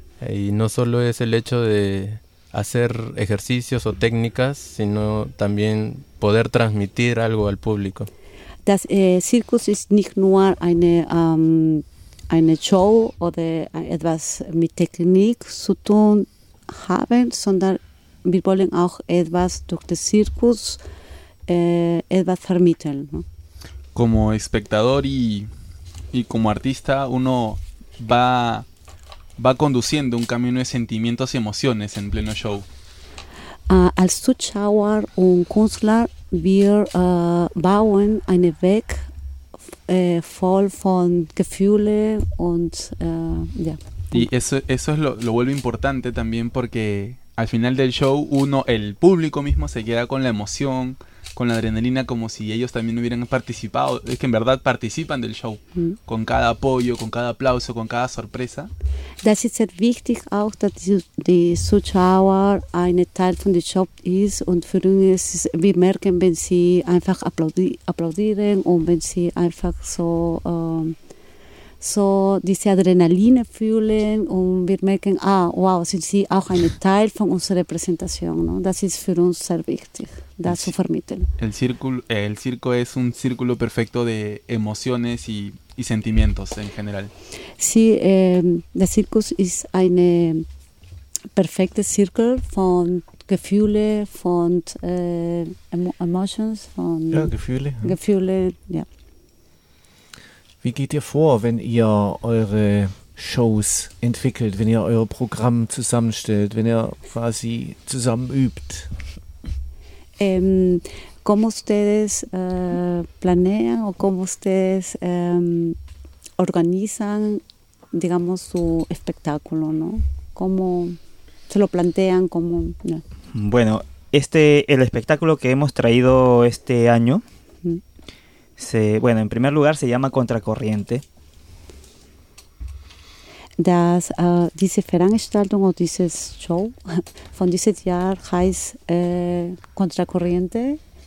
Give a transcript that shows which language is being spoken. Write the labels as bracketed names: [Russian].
[Spanish] Y no solo es el hecho de hacer ejercicios o técnicas, sino también poder transmitir algo al público. [German] Das Zirkus ist nicht nur eine Show oder etwas mit Technik zu tun haben, sondern wir wollen auch etwas durch den Zirkus etwas vermitteln. [Spanish] ¿No? Como espectador y como artista, uno va conduciendo un camino de sentimientos y emociones en pleno show. [German] Als Zuschauer und Künstler, wir bauen einen Weg voll von Gefühlen und ja. [Spanish] Y eso es lo vuelve importante también porque al final del show uno, el público mismo se queda con la emoción, con la adrenalina, como si ellos también hubieran participado. Es que en verdad participan del show, con cada apoyo, con cada aplauso, con cada sorpresa. [German] Das ist sehr wichtig auch, dass die Zuschauer ein Teil von dem Job ist und für uns, wir merken, wenn sie einfach applaudieren und wenn sie einfach so... so diese Adrenaline fühlen und wir merken, ah, wow, sind sie auch ein Teil von unserer Präsentation. No? Das ist für uns sehr wichtig, das zu vermitteln. [Spanish] El circo es un círculo perfecto de emociones y sentimientos en general. [German] Sí, der Zirkus ist ein perfekter Circle von Gefühle, von Emotions, von ja, Gefühle. Gefühle, ja. Wie geht ihr vor, wenn ihr eure Shows entwickelt, wenn ihr euer Programm zusammenstellt, wenn ihr quasi zusammen übt? [Spanish] ¿Cómo ustedes planean o cómo ustedes organizan, digamos, su espectáculo, no? ¿Cómo se lo plantean? ¿Cómo? No. Bueno, el espectáculo que hemos traído este año... bueno, en primer lugar se llama Contracorriente. [German] Das diese Veranstaltung o dieses Show von dieses Jahr heißt Contracorriente.